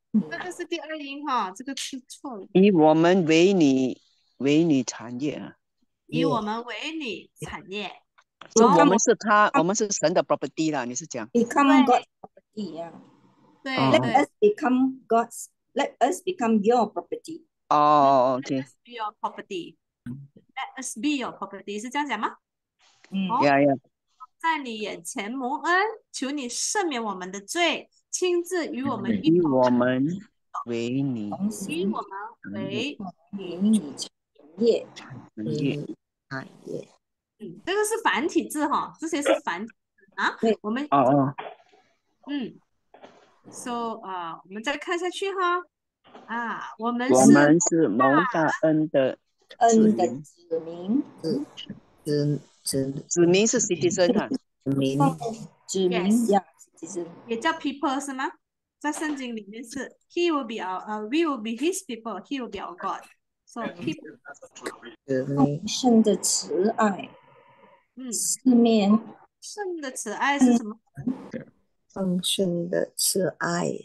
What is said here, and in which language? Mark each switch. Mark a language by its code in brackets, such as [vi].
[zh] 这个是第二音哈，这个是错的。以我们为你，为你产业啊。以我们为你产业。就我们是他，我们是神的 property 啦，你是讲。 [en] Become God's property 呀。 [zh] 对。 [en] Let us become God's. Let us become your property. 哦 ，OK。 Let us be your property. Let us be your property [zh] 是这样讲吗？嗯，Yeah, yeah. 在你眼前蒙恩，求你赦免我们的罪，亲自与我们一同。以我们为你，以我们为你产业，产业，嗯，这个是繁体字哈，这些是繁体字啊。我们哦哦，嗯 ，so 啊，我们再看下去哈。啊，我们是蒙大恩的恩的子民，子民是 citizen 哈，子民 yes, 也叫 people 是吗？在圣经里面是 [en] he will be our we will be his people, he will be our God, so people [zh] 丰盛的慈爱，嗯，四面圣的慈爱是什么？丰盛的慈爱，